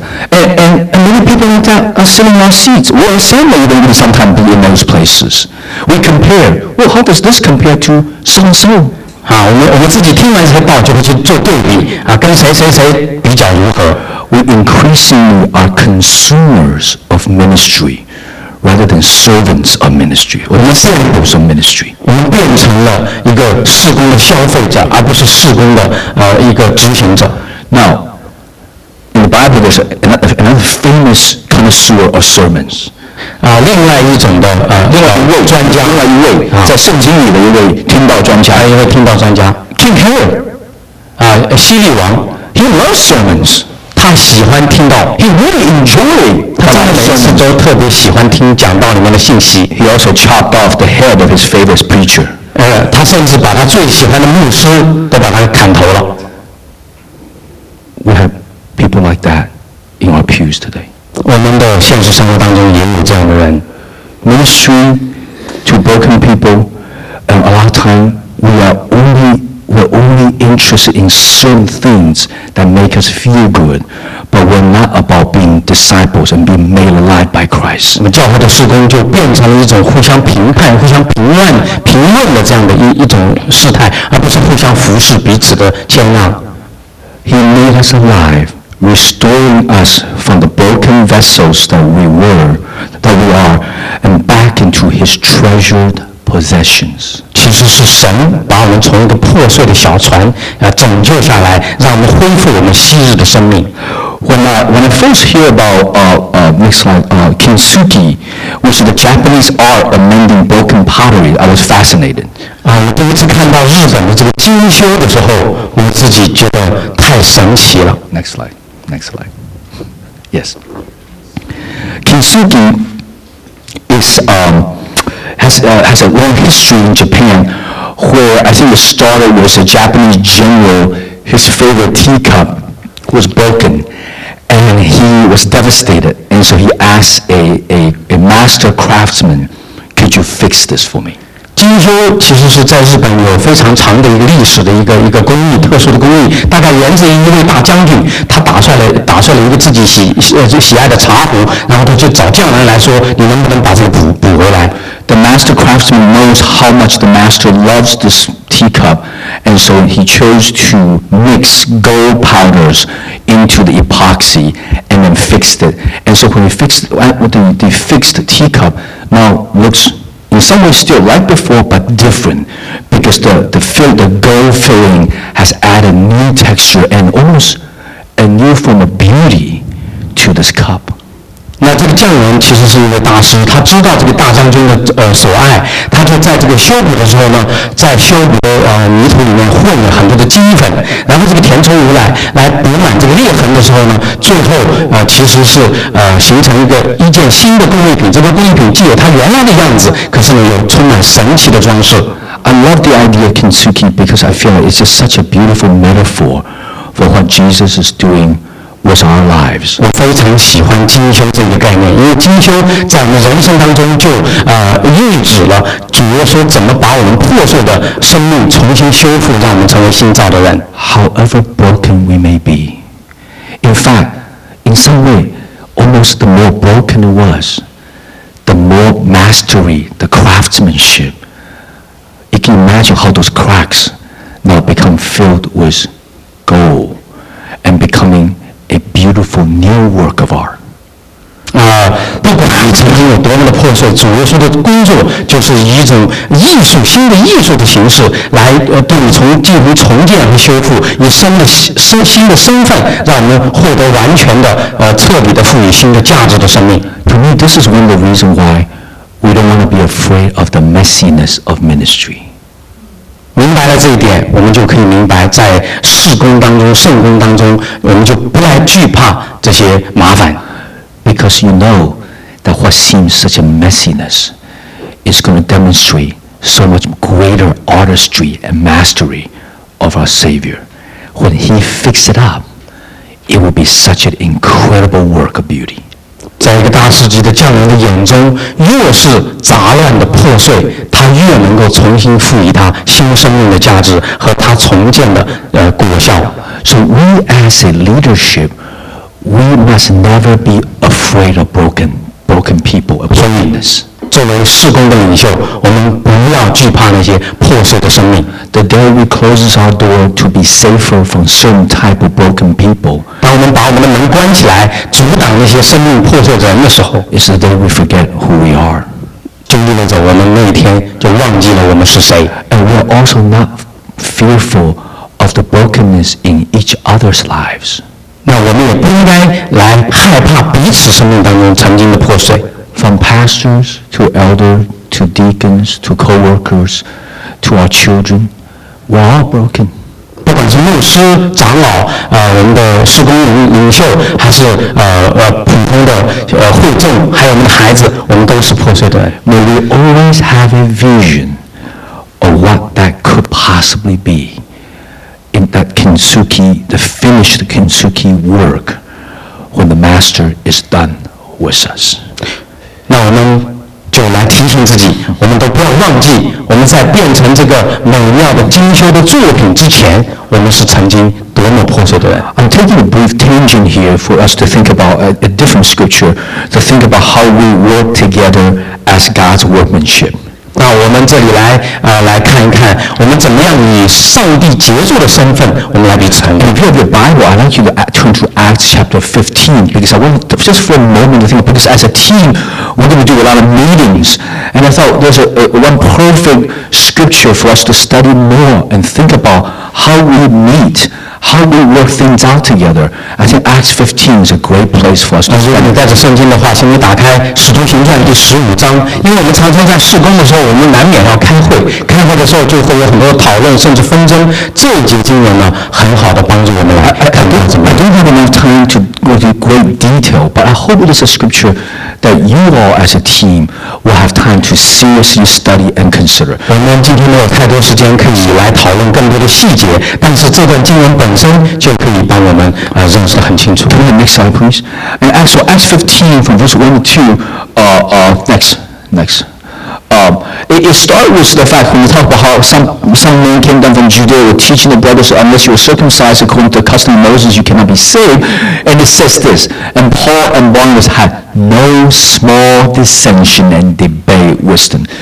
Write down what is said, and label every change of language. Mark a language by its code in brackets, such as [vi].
[en] And many people that are sitting on seats, we are same even sometimes be in those places. We compare, well, how does this compare to so-and-so? [zh] 好，我们自己听完这些道就会去做对比啊，跟谁比较如何。 [en] We increasingly are consumers of ministry. Rather than servants of ministry, or disciples of ministry, we [zh] 变成了一个事工的消费者，而不是事工的一个执行者。 [en] Now, in the Bible, there's another famous connoisseur of sermons. [zh] 另外一种的另外一位专家，另外一位在圣经里的一位听道专家，一位听道专家 [en] ，King Herod, [zh] 西律王 [en] ，He loves sermons. [zh] 他喜欢听到 [en] ，He really enjoyed. [zh] 他真的每次都特别喜欢听讲道里面的信息。 [en] He also chopped off the head of his favorite preacher. [zh] 他甚至把他最喜欢的牧师都把他砍头了。 [en] We have people like that in our pews today. [zh] 我们的现实生活当中也有这样的人。 [en] Ministry to broken people, and a lot of time we're only interested in certain things that make us feel good, But we're not about being disciples and being made alive by Christ. [zh] 我们教会的事工就变成了一种互相评判、互相评论、评论的这样的一种事态，而不是互相服侍彼此的接纳。 [en] He made us alive, restoring us from the broken vessels that we were, that we are, and back into His treasured possessions. [zh] 其实是神把我们从一个破碎的小船拯救下来，让我们恢复我们昔日的生命。 [en] When I first hear about next slide, kintsugi, which is the Japanese art of mending broken pottery, I was fascinated. [zh] 我第一次看到日本的这个精修的时候，我自己觉得太神奇了。 [en] Next slide. Yes. Kintsugi is has a long history in Japan, where I think it started with a Japanese general. His favorite teacup was broken, and he was devastated. And so he asked a master craftsman, "Could you fix this for me?" [zh] 金修其实是在日本有非常长的一个历史的一个工艺，特殊的工艺。大概源自于一位大将军，他打出来一个自己喜爱的茶壶，然后他就找匠人来说，你能不能把这个补回来？ [en] The master craftsman knows how much the master loves this teacup, and so he chose to mix gold powders into the epoxy and then fixed it. And so when he fixed the fixed teacup, now looks in some ways still like before, but different, because the gold filling has added new texture and almost a new form of beauty to this cup. [zh] 那这个匠人其实是一位大师，他知道这个大将军的所爱，他就在这个修补的时候呢，在修补的泥土里面混了很多的金粉，然后这个填充物来补满这个裂痕的时候呢，最后其实是形成一件新的工艺品。这个工艺品既有它原来的样子，可是呢又充满神奇的装饰。 [en] I love the idea of kintsugi because I feel it's such a beautiful metaphor for what Jesus is doing. With our lives, [zh] 我非常喜欢精修这个概念，因为精修在我们人生当中就预指了主耶稣怎么把我们破碎的生命重新修复，让我们成为新造的人。 [en] However broken we may be, in fact, in some way, almost the more broken it was, the more mastery, the craftsmanship. You can imagine how those cracks now become filled with gold and becoming. A beautiful new work of art. [zh] 不管你曾经有多么的破碎，主耶稣的工作就是以一种艺术、新的艺术的形式来对你进行重建和修复，以新的身份，让我们获得完全的彻底的赋予新的价值的生命。 [en] To me, this is one of the reasons why we don't want to be afraid of the messiness of ministry. [zh] 明白了这一点，我们就可以明白，在事工当中、圣工当中，我们就不来惧怕这些麻烦。 [en] Because you know that what seems such a messiness is going to demonstrate so much greater artistry and mastery of our Savior. When He fixes it up, it will be such an incredible work of beauty. [zh] 在一个大师级的匠人的眼中，越是杂乱的破碎，他越能够重新赋予他新生命的价值和他重建的果效。 [en] So we as a leadership, we must never be afraid of broken people, of brokenness. [zh] 作为事工的领袖，我们不要惧怕那些破碎的生命。 [en] The day we close our door to be safer from certain type of broken people. [zh] 当我们把我们的门关起来，阻挡那些生命破碎的人的时候 [en] ，It's the day we forget who we are， [zh] 就意味着我们那一天就忘记了我们是谁。 [en] And we're also not fearful of the brokenness in each other's lives。 [zh] 那我们也不应该来害怕彼此生命当中曾经的破碎。 [en] From pastors to elders to deacons to co-workers to our children, we're all broken. [zh] 不管是牧师、长老、我们的事工领袖，还是普通的会众，还有我们的孩子，我们都是破碎的。 [en] May we always have a vision of what that could possibly be in that kintsugi, the finished kintsugi work, when the master is done with us. [zh] 那我们主来提醒自己，我们都不要忘记，我们在变成这个美妙的精修的作品之前，我们是曾经多么破碎的人。 [en] I'm taking a brief tangent here for us to think about a different scripture, to think about how we work together as God's workmanship. [zh] 那我们这里来来看一看，我们怎么样以上帝杰作的身份，我们来彼此同工。 [en] If you have your Bible, I'd like you to turn to Acts chapter 15, because I want to, just for a moment to think, because as a team, we're going to do a lot of meetings, and I thought there's one perfect scripture for us to study more and think about how we meet, how we work things out together. I think Acts 15 is a great place for us. [zh] 如果你带着圣经的话，请你打开《使徒行传》第十五章，因为我们常常在事工的时候，我们难免要开会，开会的时候就会有很多的讨论，甚至纷争。这一节经文呢，很好的帮助我们来看到怎么。 [en] I don't have enough time to go into great detail, but I hope it is a scripture that you all as a team will have time to seriously study and consider. [zh] 我们今天没有太多时间可以来讨论更多的细节，但是这段经文本身就可以帮我们认识得很清楚。 [en] Can we have next slide, please? And as for Acts 15 from verse 1 to 2, next. It started with the fact when you talk about how some men came down from Judea were teaching the brothers, unless you are circumcised according to the custom of Moses, you cannot be saved. And it says this, and Paul and Barnabas had no small dissension and debate with them.